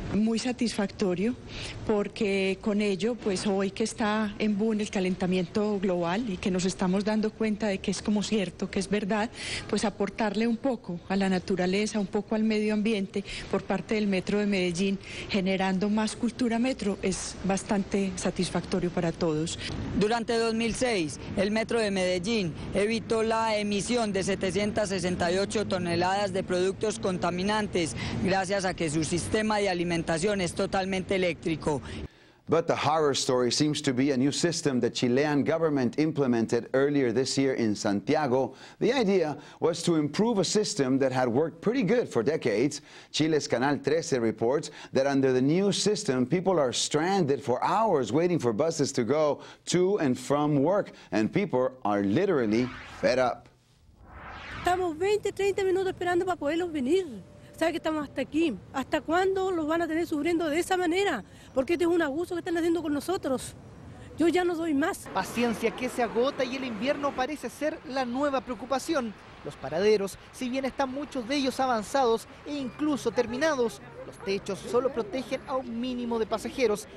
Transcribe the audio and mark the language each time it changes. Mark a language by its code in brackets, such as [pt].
[es] Muy satisfactorio porque con ello, pues hoy que está en boom el calentamiento global y que nos estamos dando cuenta de que es como cierto, que es verdad, pues aportarle un poco a la naturaleza, un poco al medio ambiente por parte del Metro de Medellín, generando más cultura metro, es bastante satisfactorio para todos. Durante 2006, el Metro de Medellín evitó la emisión de 768 toneladas de productos contaminantes gracias a que su sistema de alimentación es totalmente eléctrico. [en] But the horror story seems to be a new system the Chilean government implemented earlier this year in Santiago. The idea was to improve a system that had worked pretty good for decades. Chile's Canal 13 reports that under the new system, people are stranded for hours waiting for buses to go to and from work, and people are literally fed up. [es] Estamos 20, 30 minutos esperando para poderlos venir. ¿Sabe que estamos hasta aquí? ¿Hasta cuándo los van a tener sufriendo de esa manera? Porque este es un abuso que están haciendo con nosotros. Yo ya no doy más. Paciencia que se agota y el invierno parece ser la nueva preocupación. Los paraderos, si bien están muchos de ellos avanzados e incluso terminados, los techos solo protegen a un mínimo de pasajeros.